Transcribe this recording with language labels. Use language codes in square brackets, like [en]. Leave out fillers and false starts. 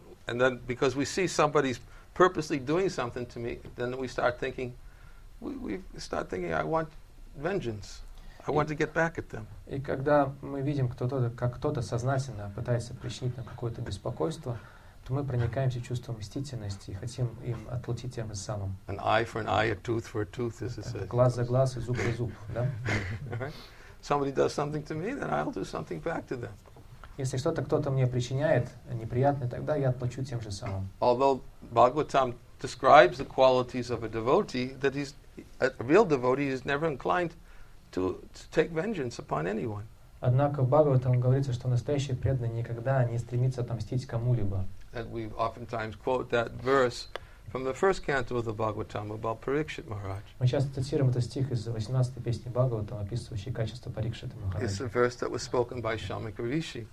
[en] And then because we see somebody's purposely doing something to me, then we start thinking, I want vengeance. I want to get back at them. [ru] И когда мы видим, кто-то сознательно пытается причинить нам какое-то беспокойство, то мы проникаемся чувством мстительности и хотим им отплатить тем же самым. [en] An eye for an eye, a tooth for a tooth, as it says. [ru] Глаз за глаз и зуб за зуб, да? [en] Somebody does something to me, then I'll do something back to them. [ru] Если что-то кто-то мне причиняет неприятное, тогда я отплачу тем же самым. [en] Although Bhagavatam describes the qualities of a devotee, that he's a real devotee is never inclined to take vengeance upon anyone. [ru] Однако в Бхагаватам говорится, что настоящий преданный никогда не стремится отомстить кому-либо. [en] And we oftentimes quote that verse from the first canto of the Bhagavatam about Parikshit Maharaj. [ru] Мы часто цитируем этот стих из 18-й песни Бхагаватам, описывающий качество Парикшита Махараджа. [en] It's a verse that was spoken by Shamika Rishi.